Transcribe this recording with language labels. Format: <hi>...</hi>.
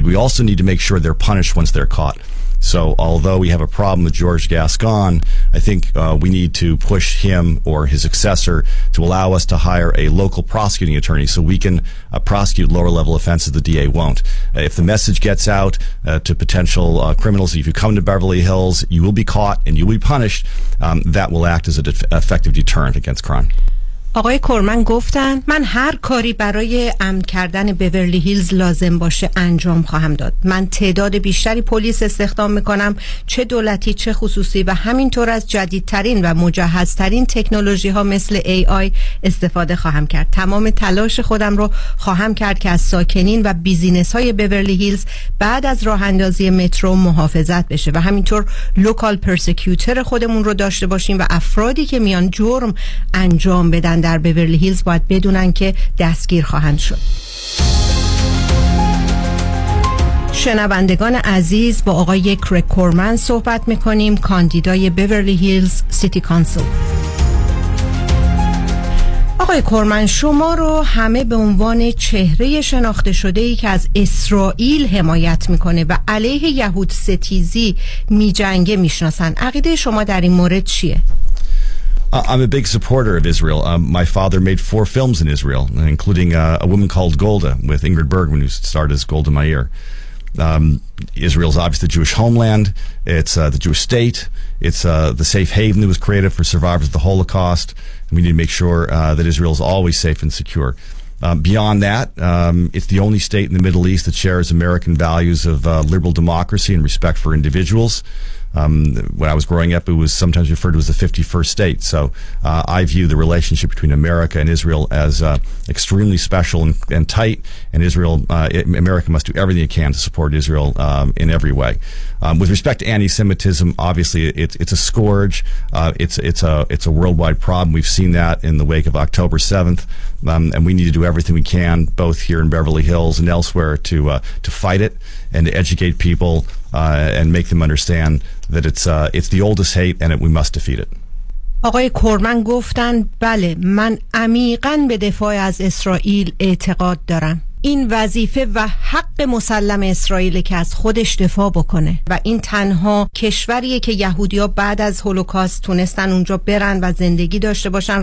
<en>We also need to make sure they're punished once they're caught. So although we have a problem with George Gascon, I think we need to push him or his successor to allow us to hire a local prosecuting attorney so we can prosecute lower-level offenses the DA won't. If the message gets out to potential criminals, if you come to Beverly Hills, you will be caught and you will be punished, that will act as an effective deterrent against crime.</en> <fa>آقای کورمن گفتن من هر کاری برای امن کردن بیورلی هیلز لازم باشه انجام خواهم داد. من تعداد بیشتری پلیس استخدام میکنم، چه دولتی چه خصوصی، و همینطور از جدیدترین و مجهزترین تکنولوژی ها مثل AI استفاده خواهم کرد. تمام تلاش خودم رو خواهم کرد که از ساکنین و بیزینس های بیورلی هیلز بعد از راه اندازی مترو محافظت بشه و همینطور لوکال پرسیکیوتر خودمون رو داشته باشیم و افرادی که میان جرم انجام بدن در بیورلی هیلز باید بدونن که دستگیر خواهند شد. شنوندگان عزیز، با آقای کرک کورمن صحبت میکنیم، کاندیدای بیورلی هیلز سیتی کانسل. آقای کورمن، شما رو همه به عنوان چهره شناخته شده ای که از اسرائیل حمایت میکنه و علیه یهود ستیزی میجنگه میشناسن. عقیده شما در این مورد چیه؟</fa> <en>I'm a big supporter of Israel. My father made 4 films in Israel, including A Woman Called Golda with Ingrid Bergman, who starred as Golda Meir. Israel's obviously the Jewish homeland. It's the Jewish state. It's the safe haven that was created for survivors of the Holocaust. And we need to make sure that Israel is always safe and secure. Beyond that, it's the only state in the Middle East that shares American values of liberal democracy and respect for individuals. When I was growing up, it was sometimes referred to as the 51st state. So I view the relationship between America and Israel as extremely special and tight. And Israel, America must do everything it can to support Israel in every way. With respect to anti-Semitism, obviously it's a scourge. It's a worldwide problem. We've seen that in the wake of October 7th. And we need to do everything we can, both here in Beverly Hills and elsewhere, to fight it and to educate people and make them understand that it's the oldest hate and that we must defeat it.</en> <fa>آقای کورمن گفتن بله، من عمیقاً به دفاع از اسرائیل اعتقاد دارم. این وظیفه و حق مسلم اسرائیل که از خودش دفاع بکنه و این تنها کشوریه که یهودیا بعد از هولوکاست تونستن اونجا برن و زندگی داشته باشن.</fa>